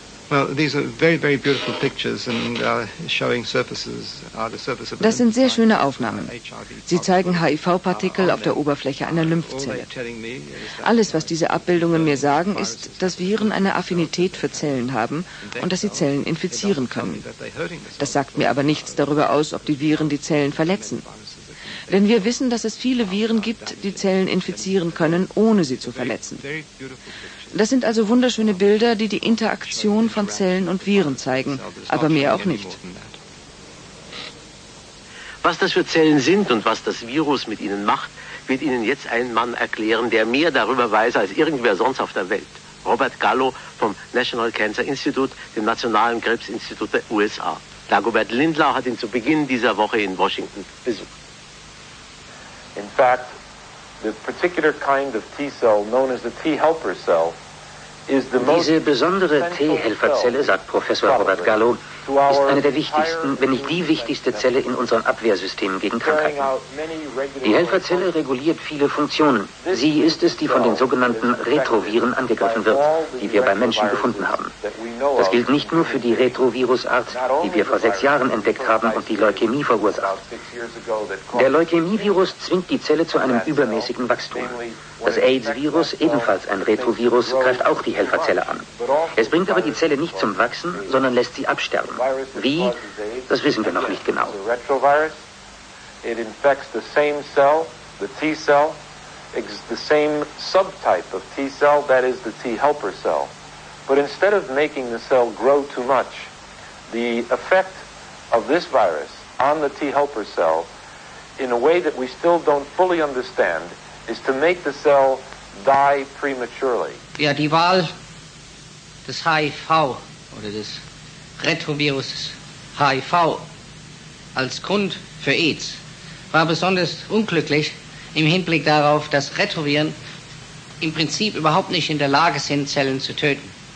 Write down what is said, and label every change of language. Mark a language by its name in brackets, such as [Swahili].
[English] Well, these are very, very beautiful pictures and showing surfaces are the surface of. [German] Das sind sehr schöne Aufnahmen. Sie zeigen HIV-Partikel auf der Oberfläche einer Lymphzelle. Alles, was diese Abbildungen mir sagen, ist, dass Viren eine Affinität für Zellen haben und dass sie Zellen infizieren können. Das sagt mir aber nichts darüber aus, ob die Viren die Zellen verletzen. Denn wir wissen, dass es viele Viren gibt, die Zellen infizieren können, ohne sie zu verletzen. Das sind also wunderschöne Bilder, die die Interaktion von Zellen und Viren zeigen, aber mehr auch nicht. Was das für Zellen sind und was das Virus mit ihnen macht, wird Ihnen jetzt ein Mann erklären, der mehr darüber weiß als irgendwer sonst auf der Welt. Robert Gallo vom National Cancer Institute, dem Nationalen Krebsinstitut der USA. Dagobert Lindlau hat ihn zu Beginn dieser Woche in Washington besucht. [English] In fact, the particular kind of T cell known as the T helper cell is the most. [German] Diese besondere T-Helferzelle, sagt Professor Robert Gallo, ist eine der wichtigsten, wenn nicht die wichtigste Zelle in unserem Abwehrsystem gegen Krankheiten. Die Helferzelle reguliert viele Funktionen. Sie ist es, die von den sogenannten Retroviren angegriffen wird, die wir beim Menschen gefunden haben. Das gilt nicht nur für die Retrovirusart, die wir vor 6 Jahren entdeckt haben und die Leukämie verursacht. Der Leukämievirus zwingt die Zelle zu einem übermäßigen Wachstum. Das AIDS-Virus, ebenfalls ein Retrovirus, greift auch die Helferzelle an. Es bringt aber die Zelle nicht zum Wachsen, sondern lässt sie absterben. Wie? Das wissen wir noch nicht genau. [English] It infects the same cell, the T cell, the same subtype of T cell, that is the T helper cell. But instead of making the cell grow too much, the effect of this virus on the T helper cell, in a way that we still don't fully understand, is to make the cell die prematurely. [German] Ja, die Wahl des HIV oder des Retrovirus HIV als Grund für AIDS war besonders unglücklich im Hinblick darauf, dass Retroviren im Prinzip überhaupt nicht in der Lage sind, Zellen zu töten.